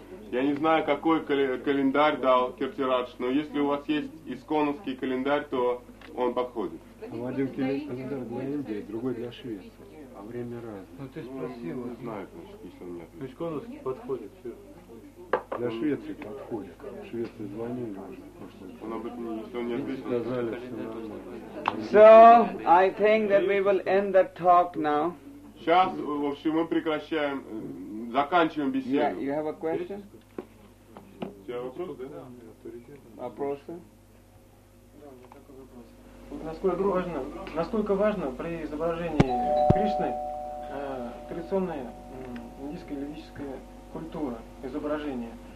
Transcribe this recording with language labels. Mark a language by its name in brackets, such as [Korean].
[Russian] Я не знаю, какой календарь дал Киртирадж, но если у вас есть исконовский календарь, то он подходит. У один календарь для Индии, другой для Швеции, а время разное. Ну ты спросил. Не знаю, значит, если у меня. То исконовский подходит, все. Для Швеции подходит. Швеции звонили уже. Он об этом, если он не ответил. Сказали, все равно. [English] So, I think that we will end the talk now. [Russian] Сейчас, в общем, мы прекращаем, заканчиваем беседу. [English] Yeah, you have a question? [Russian] У тебя вопрос, да? Вопросы? Да, у меня такой вопрос. Насколько важно при изображении Кришны традиционная индийская ведическая культура, изображение?